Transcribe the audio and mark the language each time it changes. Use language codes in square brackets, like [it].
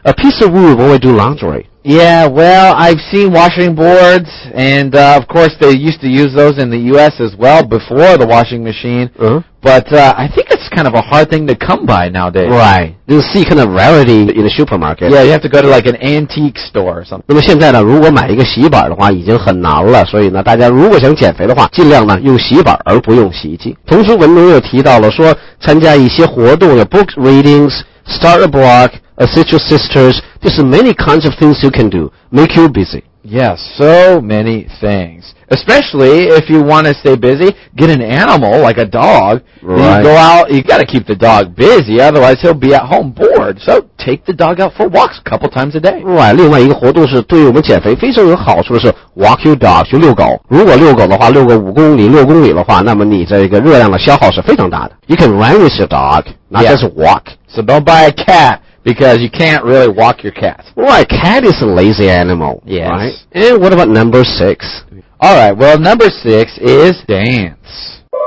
[en] A piece of wood when we do laundry? Yeah, well, I've seen washing boards, and of course they used to use those in the US as well before the washing machine. But I think it'sKind of a hard thing to come by nowadays. Right. You see kind of rarity in the supermarket. Yeah, you have to go to like an antique store or something. [zh] 那么现在呢，如果买一个洗衣板的话，已经很难了。所以呢，大家如果想减肥的话，尽量呢用洗衣板而不用洗衣机。同时，文中又提到了说，参加一些活动的 [en] book readings, start a blog, assist your sisters. There's many kinds of things you can do. Make you busy. Yeah, so many things. Especially if you want to stay busy, get an animal like a dog. Right. You go out, you got to keep the dog busy, otherwise he'll be at home bored. So take the dog out for walks a couple times a day. [zh] Right. 另外一个活动是对于我们减肥非常有好处的是 [en] walk your dog, [zh] 去遛狗。如果遛狗的话，遛个5公里、6公里的话，那么你这个热量的消耗是非常大的。 [en] You can run with your dog, not just walk. So don't buy a cat. Because you can't really walk your cat. Right, cat is a lazy animal. Yes. Right? And what about number six? All right, well, number six is dance.